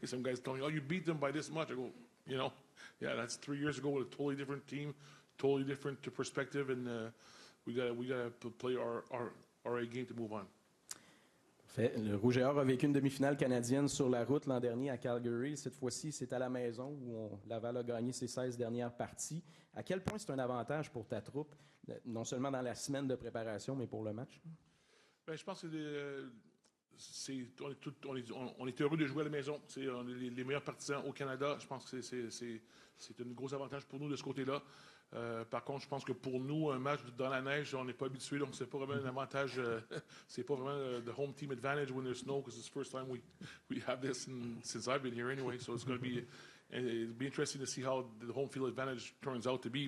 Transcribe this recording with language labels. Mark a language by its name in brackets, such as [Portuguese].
[English] Some guys tell me, oh, you beat them by this much. I go, yeah, that's 3 years ago with a totally different team, totally different perspective, and we gotta play our game to move on. [French] Fait. Le Rouge et Or a vécu une demi-finale canadienne sur la route l'an dernier à Calgary. Cette fois-ci, c'est à la maison où Laval a gagné ses 16 dernières parties. À quel point c'est un avantage pour ta troupe, non seulement dans la semaine de préparation, mais pour le match? Bien, je pense que on est heureux de jouer à la maison. On est les meilleurs partisans au Canada. Je pense que c'est un gros avantage pour nous de ce côté-là. Par contre, je pense que pour nous, un match dans la neige, on n'est pas habitué, donc c'est pas vraiment un avantage. C'est pas vraiment [English] the home team advantage when there's snow, because it's the first time we have this since I've been here anyway. So it's going to be interesting to see how the home field advantage turns out to be.